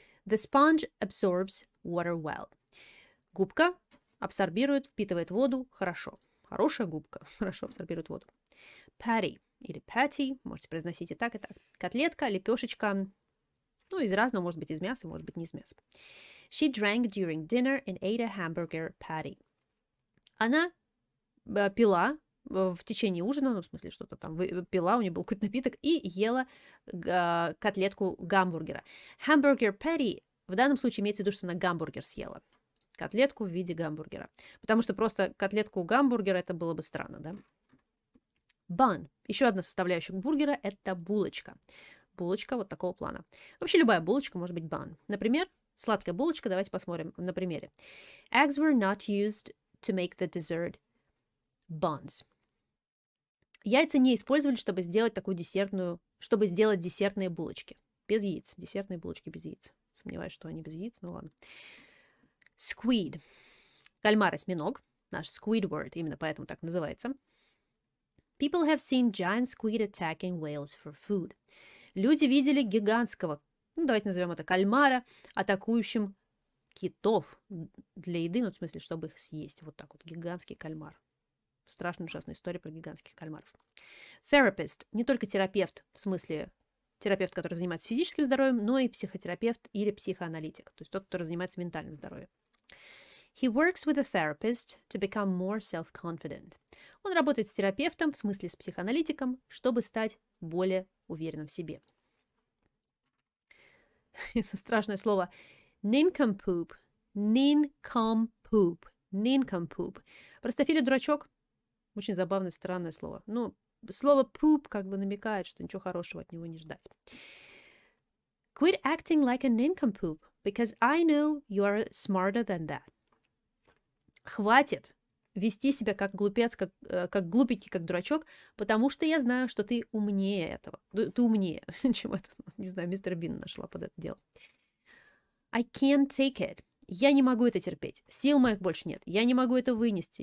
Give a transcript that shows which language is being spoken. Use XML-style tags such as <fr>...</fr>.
<en>The sponge absorbs water well.</en> <ru>Губка абсорбирует, впитывает воду хорошо. Хорошая губка хорошо абсорбирует воду. Patty или patty, можете произносить и так. Котлетка, лепешечка, ну, из разного, может быть, из мяса, может быть, не из мяса.</ru> <en>She drank during dinner and ate a hamburger patty.</en> <ru>Она пила в течение ужина, ну, в смысле, что-то там, пила, у нее был какой-то напиток, и ела котлетку гамбургера. Hamburger patty в данном случае имеется в виду, что она гамбургер съела. Котлетку в виде гамбургера. Потому что просто котлетку гамбургера, это было бы странно, да? Бан. Еще одна составляющая бургера – это булочка. Булочка вот такого плана. Вообще любая булочка может быть бан. Например, сладкая булочка. Давайте посмотрим на примере.</ru> <en>Eggs were not used to make the dessert buns.</en> <ru>Яйца не использовали, чтобы сделать такую десертную... Чтобы сделать десертные булочки. Без яиц. Десертные булочки без яиц. Сомневаюсь, что они без яиц, ну ладно. Squid. Кальмар, осьминог. Наш Squidward, именно поэтому так называется.</ru> <en>People have seen giant squid attacking whales for food.</en> <ru>Люди видели гигантского, ну, давайте назовем это кальмара, атакующим китов для еды, ну, в смысле, чтобы их съесть. Вот так вот, гигантский кальмар. Страшная, ужасная история про гигантских кальмаров.</ru> <en>Therapist.</en> <ru>Не только терапевт, в смысле... Терапевт, который занимается физическим здоровьем, но и психотерапевт или психоаналитик, то есть тот, кто занимается ментальным здоровьем.</ru> <en>He works with a therapist to become more self-confident.</en> <ru>Он работает с терапевтом, в смысле с психоаналитиком, чтобы стать более уверенным в себе. Это страшное слово. Nincompoop. Nincompoop. Nincompoop. Простофиля дурачок. Очень забавное, странное слово. Ну, слово poop как бы намекает, что ничего хорошего от него не ждать.</ru> <en>Quit acting like a nincompoop, because I know you are smarter than that.</en> <ru>Хватит вести себя как глупец, как глупенький, как дурачок, потому что я знаю, что ты умнее этого. Ты умнее, чем это. Не знаю, мистер Бин нашла под это дело.</ru> <en>I can't take it.</en> <ru>Я не могу это терпеть. Сил моих больше нет. Я не могу это вынести.</ru>